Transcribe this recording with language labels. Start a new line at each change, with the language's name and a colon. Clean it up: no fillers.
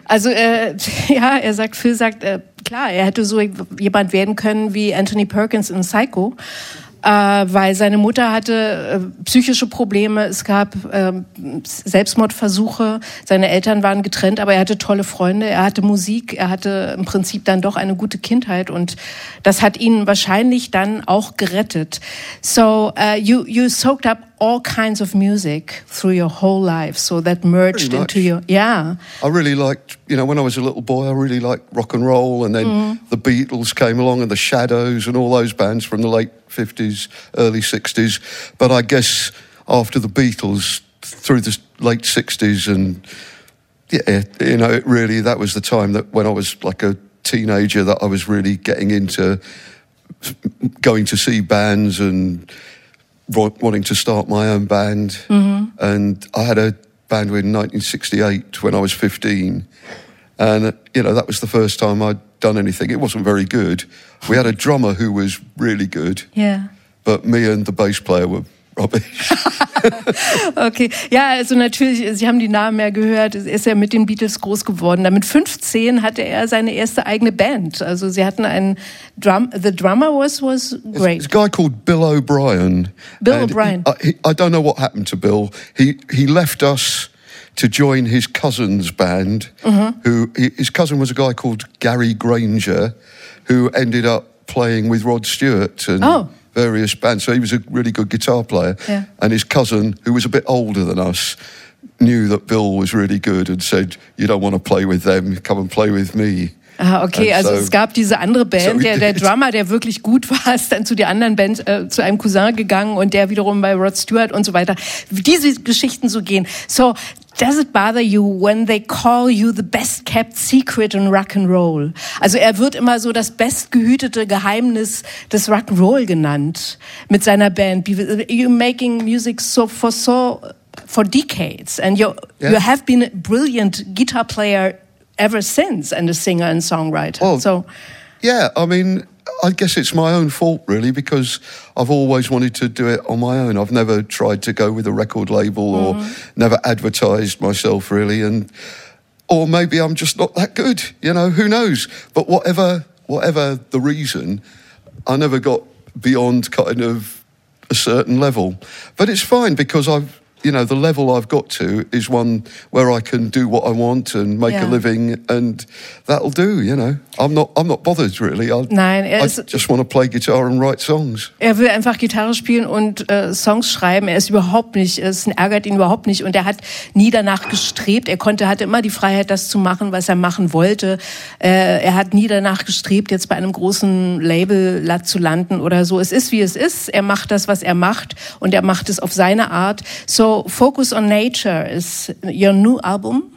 German: Also, klar, er hätte so jemand werden können wie Anthony Perkins in Psycho, weil seine Mutter hatte psychische Probleme, es gab Selbstmordversuche, seine Eltern waren getrennt, aber er hatte tolle Freunde, er hatte Musik, er hatte im Prinzip dann doch eine gute Kindheit und das hat ihn wahrscheinlich dann auch gerettet.
English: So, you soaked up all kinds of music through your whole life. So that merged pretty into your, yeah. I really liked, you know, when I was a little boy, I really liked rock and roll. And then the Beatles came along and the Shadows and all those bands from the late 50s, early 60s. But I guess after the Beatles, through the late 60s and, yeah, you know, it really, that was the time that when I was like a teenager that I was really getting into going to see bands and wanting to start my own band. And I had a band in 1968 when I was 15. And, you know, that was the first time I'd done anything. It wasn't very good. We had a drummer who was really good. Yeah. But me and the bass player were rubbish.
German: Okay, ja, also natürlich, Sie haben die Namen ja gehört, ist er mit den Beatles groß geworden. Mit 15 hatte er seine erste eigene Band. Also sie hatten einen Drum,
English: the drummer was great. It's a guy called Bill O'Brien. Bill O'Brien. I don't know what happened to Bill. He left us to join his cousin's band, who his cousin was a guy called Gary Granger, who ended up playing with Rod Stewart and various bands. So he was a really good guitar player. Yeah. And his cousin, who was a bit older than us, knew that Bill was really good and said, you don't want to play with them, come and play with me.
German: Ah, okay, and also so, es gab diese andere Band, so der Drummer, der wirklich gut war, ist dann zu der anderen Band, zu einem Cousin gegangen und der wiederum bei Rod Stewart und so weiter. Diese Geschichten so gehen.
English: So, does it bother you when they call you the best kept secret in rock and roll?
German: Also er wird immer so das bestgehütete Geheimnis des Rock and Roll genannt mit seiner Band.
English: You're making music for decades and you have been a brilliant guitar player ever since and a singer and songwriter. Well, so yeah, I mean, I guess it's my own fault really because I've always wanted to do it on my own. I've never tried to go with a record label or never advertised myself really, and or maybe I'm just not that good, you know, who knows? But whatever the reason, I never got beyond kind of a certain level. But it's fine because I've, you know, the level I've got to is one where I can do what I want and make a living, and that'll do, you know. I'm not bothered, really. I just want to play guitar and write songs.
German: Er will einfach Gitarre spielen und Songs schreiben. Er ist überhaupt nicht, es ärgert ihn überhaupt nicht. Und er hat nie danach gestrebt. Er hatte immer die Freiheit, das zu machen, was er machen wollte. Er hat nie danach gestrebt, jetzt bei einem großen Label zu landen oder so. Es ist, wie es ist. Er macht das, was er macht. Und er macht es auf seine Art.
English: So Focus on Nature is your new album.